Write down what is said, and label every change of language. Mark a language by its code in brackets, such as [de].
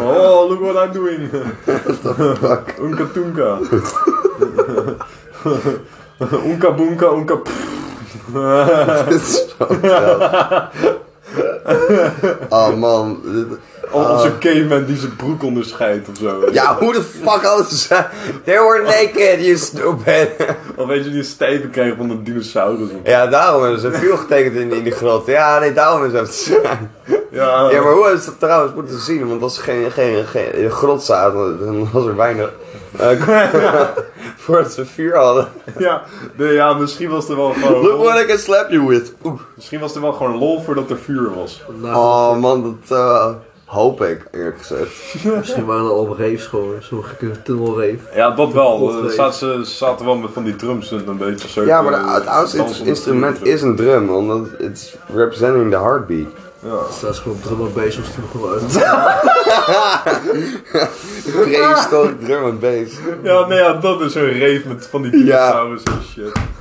[en] Oh, look what I'm doing. Unka toonka. Unka boonka, unka [nl] dit is zo oh man. Als een caveman die zijn broek onderscheidt of zo. Ja, hoe de fuck alles. [en] They were naked, you stupid. [nl] Of weet je, die stijven kregen van de dinosaurus. Ja, daarom hebben ze een vuur getekend in die grot. Ja, nee, daarom is het. Ja, maar hoe hebben ze dat trouwens moeten zien? Want als ze geen grot zaten, dan was er weinig. voordat ze vuur hadden. Ja, misschien was er wel gewoon. [en] Look what I can slap you with. [nl] Misschien was er wel gewoon lol voordat er vuur was. Oh man, dat. Hoop ik, eerlijk gezegd. Misschien waren er al raves gewoon. Sommige kunnen tunnel rave. Ja, dat wel. Ze zaten wel met van die drums een beetje zo. Ja, maar het oudste instrument is een drum. Omdat [en] it's representing the heartbeat. [nl] Ja. Dus dat is gewoon drum en bass als toen gewoon. Prehistoric drum en bass. Ja, nee, ja, dat is een rave met van die dinosaurus en shit.